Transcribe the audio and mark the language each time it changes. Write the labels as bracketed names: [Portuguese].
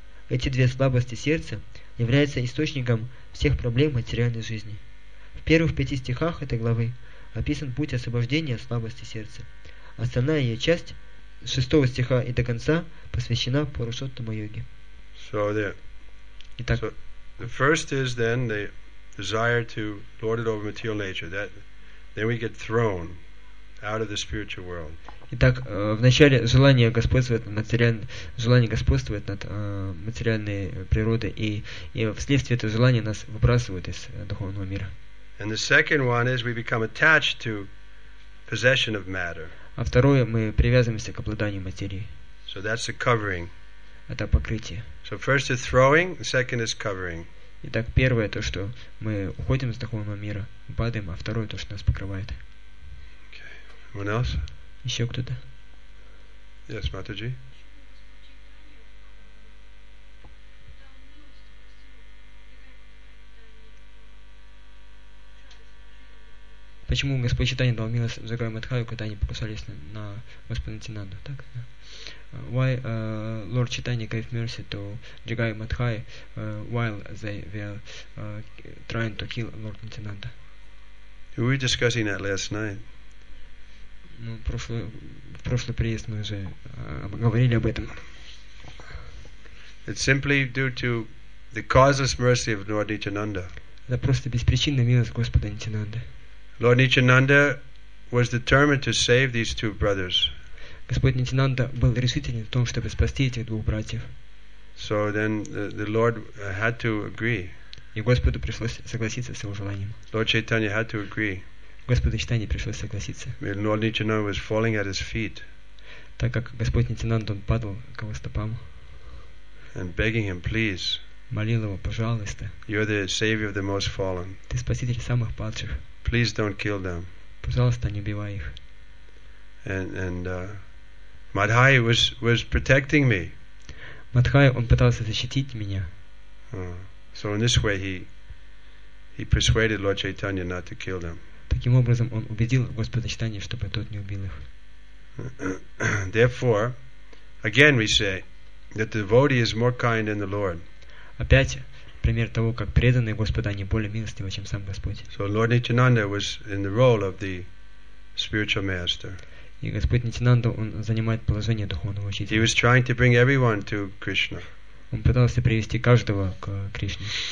[Russian] Эти две слабости сердца являются источником всех проблем материальной жизни. В первых 5 стихах этой главы описан путь освобождения от слабости сердца. Остальная ее часть, с 6 стиха и до конца, посвящена Пурушоттама-йоге. Итак, [English] the first is then the desire to lord it over material nature. Then we get thrown out of the spiritual world. [Russian] Итак, вначале желание господствовать над материальной природой, и вследствие этого желания нас выбрасывают из духовного мира. [English] And the second one is we become attached to possession of matter. [Russian] А второе, мы привязываемся к обладанию материи. [English] So that's the covering. [Russian] Это покрытие. [English] So first is throwing, the second is covering. [Russian] Итак, первое то, что мы уходим из духовного мира, падаем, а второе то, что нас покрывает. [English] Okay. Anyone else? [Russian] Еще кто-то? [English] Yes, Mataji. [Russian] Почему Господь Читания дал милость Джагай Мадхаю, когда они покусались на Господа Нитинанду? Так? [English] Why Lord Chaitanya gave mercy to Jagai Madhai while they were trying to kill Lord Nityananda? We were discussing that last night. [Russian] Ну, в прошлый приезд мы уже говорили об этом. [English] It's simply due to the causeless mercy of Lord Nityananda. [Russian] Это просто беспричинная милость Господа Нитинанды. [English] Lord Nityananda was determined to save these two brothers. [Russian] Господь Нитинанда был решительным в том, чтобы спасти этих двух братьев. [English] So then the Lord had to agree. [Russian] И Господу пришлось согласиться с его желанием. [English] Lord Chaitanya had to agree. [Russian] Господу Чайтанье пришлось согласиться. [English] Lord Nityananda was falling at his feet. [Russian] Так как Господь Нитинанда падал к его стопам. [English] And begging him, please. [Russian] Молил его, пожалуйста. [English] You're the savior of the most fallen. [Russian] Ты спаситель самых падших. [English] Please don't kill them. [Russian] Пожалуйста, не убивай их. [English] And Madhai was protecting me. [Russian] Мадхай, он пытался защитить меня. [English] So in this way he persuaded Lord Chaitanya not to kill them. [Russian] Таким образом он убедил Господа Чайтанья, чтобы тот не убил их. [English] Therefore, again we say that the devotee is more kind than the Lord. [Russian] Опять пример того, как преданные Господа не более милостивы, чем сам Господь. [English] So Lord Nityananda was in the role of the spiritual master. [Russian] И Господь Нитинанда, он занимает положение духовного учителя. [English] He was trying to bring everyone to Krishna. [Russian] Он пытался привести каждого к Кришне.